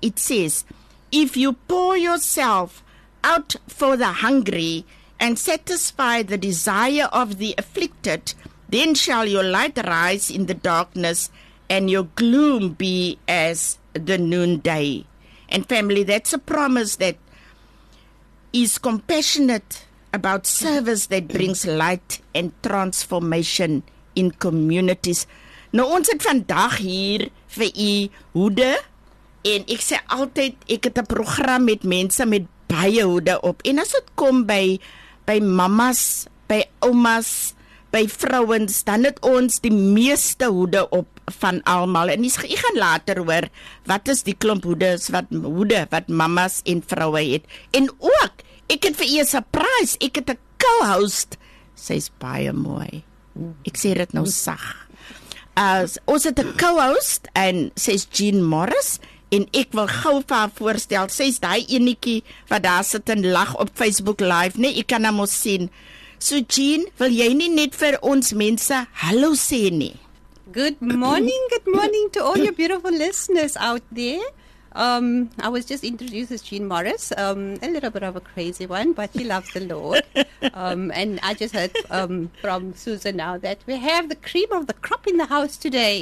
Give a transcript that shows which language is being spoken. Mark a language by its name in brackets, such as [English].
[English] It says, if you pour yourself out for the hungry and satisfy the desire of the afflicted, then shall your light rise in the darkness and your gloom be as the noonday. And family, that's a promise that is compassionate about service that brings light and transformation in communities. [Afrikaans] Nou, ons het vandag hier vir u hoede en ek sê altyd, ek het 'n program met mense met baie hoede op. En as het kom by mamas, by oumas, by vrouens, dan het ons die meeste hoede op van almal. En ek gaan later hoor, wat is die klomp hoede wat mamas en vroue het. En ook, ek het vir u 'n surprise, ek het 'n co-host. Sy is baie mooi. Ek sê dit nou sag. Ons het 'n co-host en sy is Jean Morris. En ek wil gou vir haar voorstel, sy is die enetjie wat daar sit en lag op Facebook Live, nee, ek kan hom ons sien. So Jean, wil jy nie net vir ons mense hallo sê nie? [English] Good morning to all your beautiful listeners out there. I was just introduced as Jean Morris, a little bit of a crazy one, but she loves the Lord. And I just heard from Susan now that we have the cream of the crop in the house today.